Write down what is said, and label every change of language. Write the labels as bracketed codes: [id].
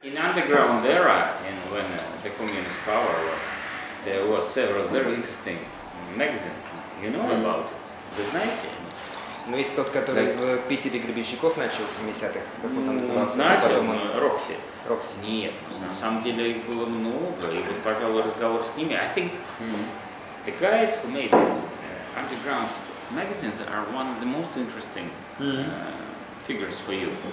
[en] underground era, and when the communist power was, there were several very interesting magazines. You know about it? The [ru] Знаете? Ну, есть тот, который в Питере Гребенщиков начал в 70-х, как он там назывался? Знаете, потом он... Рокси. Рокси. Нет, на самом деле их было много, и вот, пожалуй, разговор с ними. [en] I think the guys who made these underground magazines are one of the most interesting figures for you.